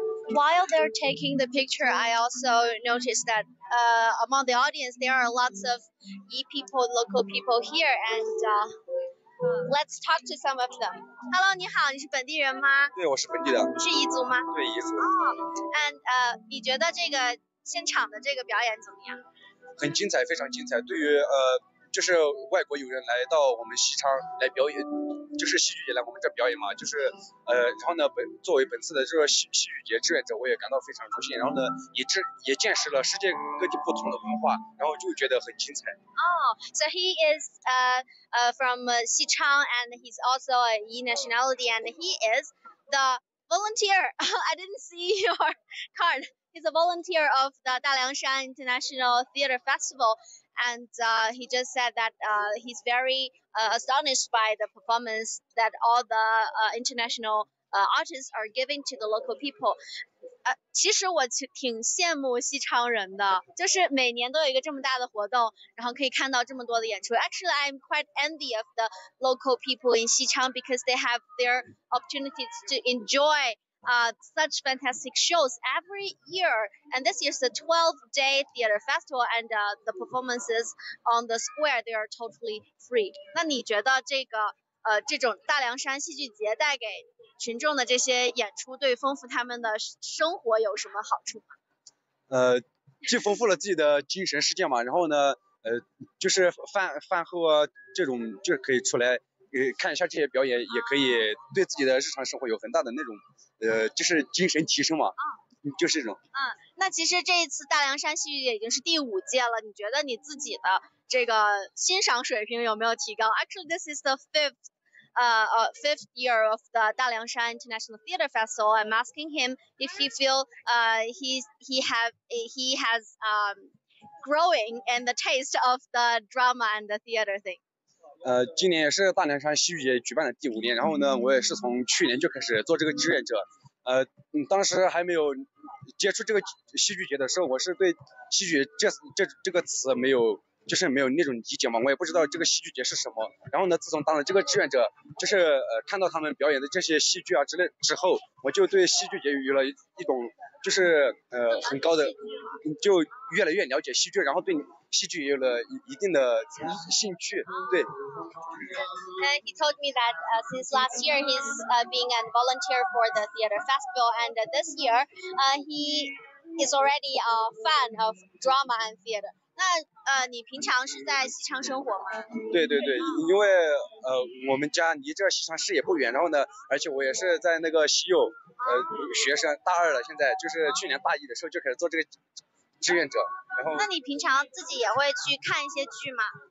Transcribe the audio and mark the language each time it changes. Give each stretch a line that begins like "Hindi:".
English: While they're taking the picture, I also noticed that among the audience, there are lots of Yi people, local people here, and let's talk to some of them.
Chinese: Hello, 你好，你是本地人吗？对，我是本地的。是彝族吗？对，彝族。 And 你觉得这个现场的这个表演怎么样？很精彩，非常精彩。对于就是外国友人来到我们西昌来表演，就是戏剧节来我们这表演嘛，就是然后呢，作为本次的这个戏剧节志愿者，我也感到非常荣幸。然后呢，也见识了世界各地不同的文化，然后就觉得很精彩。
English: So he is from Xichang, and he's also a Yi nationality, and he is the volunteer. I didn't see your card. He's a volunteer of the Daliangshan International Theater Festival, and he just said that he's very astonished by the performance that all the international artists are giving to the local people.
Chinese: 其实我挺羡慕西昌人的，就是每年都有一个这么大的活动，然后可以看到这么多的演出。
English: Actually, I'm quite envy of the local people in Xichang because they have their opportunities to enjoy. Such fantastic shows every year, and this year's the 12-day theater festival, and the performances on the square they are totally free.
Chinese: 那你觉得这个这种大凉山戏剧节带给群众的这些演出，对丰富他们的生活有什么好处吗？既丰富了自己的精神世界嘛，然后呢，就是饭后啊，这种就可以出来。看一下这些表演也可以对自己的日常生活有很大的那种就是精神提升嘛，就是这种。那其实这一次大凉山戏剧节已经是第五届了，你觉得你自己的这个欣赏水平有没有提高？
English: Actually, this is the fifth year of the 大凉山 International Theater Festival. I'm asking him if he feel he has growing in the taste of the drama and the theater thing.
Chinese: 今年也是大凉山戏剧节举办的第五年，然后呢，我也是从去年就开始做这个志愿者。当时还没有接触这个戏剧节的时候，我是对戏剧这个词没有，就是没有那种理解嘛，我也不知道这个戏剧节是什么。然后呢，自从当了这个志愿者，就是看到他们表演的这些戏剧啊之类之后，我就对戏剧节有了一种就是很高的，就越来越了解戏剧，然后对戏剧有了一定的兴趣。对。
English: And he told me that since last year he's being a volunteer for the theater festival, and this year he is already a fan of drama and theater.
Chinese: 那你平常是在西昌生活吗？对对对，因为我们家离这西昌市也不远，然后呢，而且我也是在那个西柚学生，大二了，现在就是去年大一的时候就开始做这个志愿者。然后那你平常自己也会去看一些剧吗？